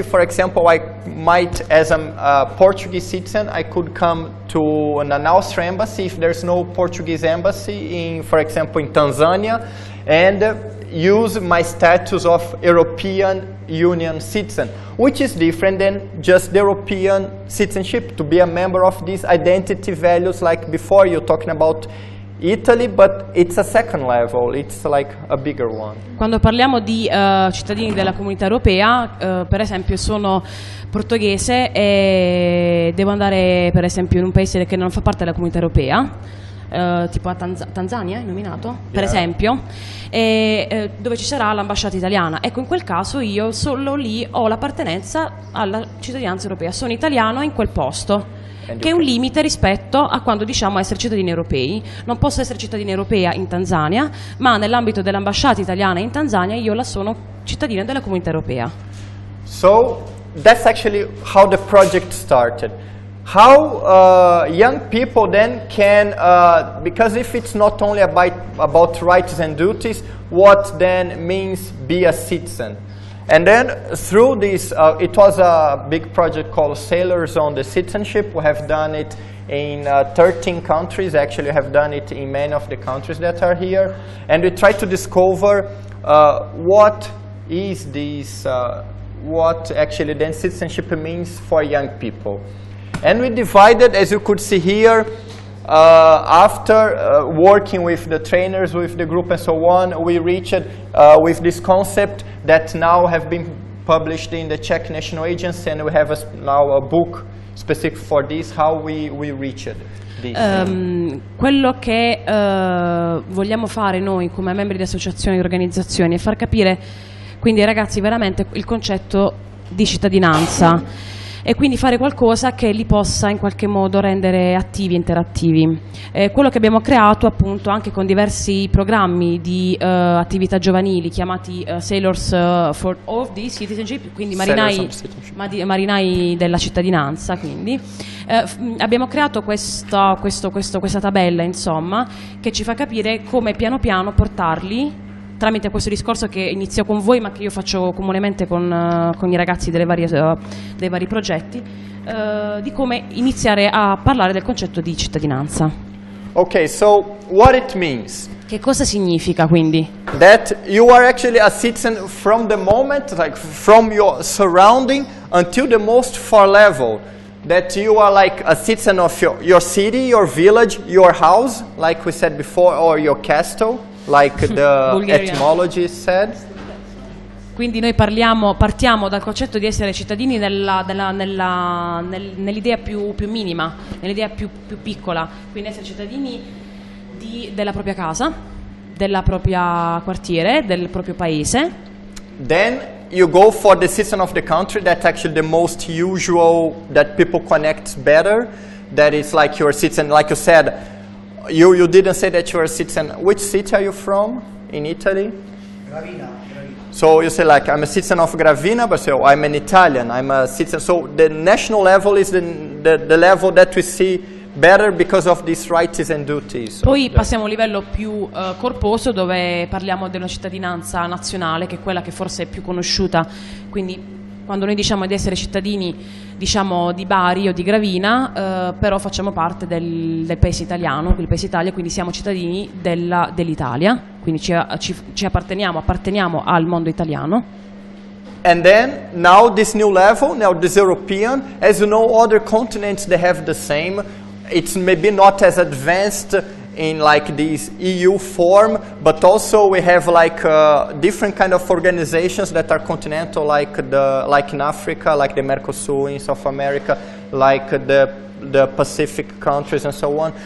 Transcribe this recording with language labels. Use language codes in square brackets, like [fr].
[en] For example, I might, as a Portuguese citizen, I could come to an Austrian embassy if there's no Portuguese embassy in, for example, in Tanzania, and use my status of European Union citizen, which is different than just the European citizenship, to be a member of these identity values, like before you're talking about Italy, but it's a second level, it's like a bigger one. [it] Quando parliamo di cittadini della comunità europea, per esempio sono portoghese e devo andare, per esempio, in un paese che non fa parte della comunità europea, tipo a Tanzania, nominato, yeah, per esempio, e, dove ci sarà l'ambasciata italiana. Ecco, in quel caso io solo lì ho l'appartenenza alla cittadinanza europea, sono italiano in quel posto, che è un limite rispetto a quando diciamo essere cittadini europei. Non posso essere cittadina europea in Tanzania, ma nell'ambito dell'ambasciata italiana in Tanzania io la sono cittadina della comunità europea. [en] So that's actually how the project started. How young people then can, because if it's not only about rights and duties, what then means be a citizen? And then through this, it was a big project called Sailors on the Citizenship. We have done it in 13 countries, actually have done it in many of the countries that are here. And we try to discover what is this, what actually then citizenship means for young people. And we divided, as you could see here, after working with the trainers, with the group and so on, we reached with this concept that now have been published in the Czech National Agency, and we have now a book specific for this, how we reached this. [it] Quello che vogliamo fare noi come membri di associazioni e organizzazioni è far capire, quindi ragazzi, veramente il concetto di cittadinanza. E quindi fare qualcosa che li possa in qualche modo rendere attivi, interattivi. Quello che abbiamo creato appunto anche con diversi programmi di attività giovanili chiamati Sailors for of the Citizenship, quindi marinai della cittadinanza, quindi abbiamo creato questa tabella, insomma, che ci fa capire come piano piano portarli tramite questo discorso che inizio con voi, ma che io faccio comunemente con i ragazzi delle varie, dei vari progetti, di come iniziare a parlare del concetto di cittadinanza. [en] Okay, so what it means? [it] Che cosa significa quindi? [en] That you are actually a citizen from the moment, like from your surrounding until the most far level. That you are like a citizen of your city, your village, your house, like we said before, or your castle, like the etymology said. [it] Quindi noi partiamo dal concetto di essere cittadini nell'idea più minima, nell'idea più piccola. Quindi essere cittadini della propria casa, della propria quartiere, del proprio paese. [en] Then you go for the citizen of the country, that's actually the most usual, that people connect better, that is like your citizen, like you said, you didn't say that you are a citizen. Which city are you from in Italy? Gravina. So you say like, I'm a citizen of Gravina, but so I'm an Italian, I'm a citizen. So the national level is the level that we see better because of these rights and duties. [it] Poi passiamo a un livello più corposo, dove parliamo della cittadinanza nazionale, che è quella che forse è più conosciuta. Quindi quando noi diciamo di essere cittadini, diciamo di Bari o di Gravina, però facciamo parte del paese italiano, il paese Italia, quindi siamo cittadini dell'Italia, quindi ci apparteniamo al mondo italiano. [en] And then now this new level, now this European, as you know, other continents they have the same. It's maybe not as advanced in like this EU form, but also we have like different kind of organizations that are continental, like in Africa, like the Mercosur in South America, like the Pacific countries and so on.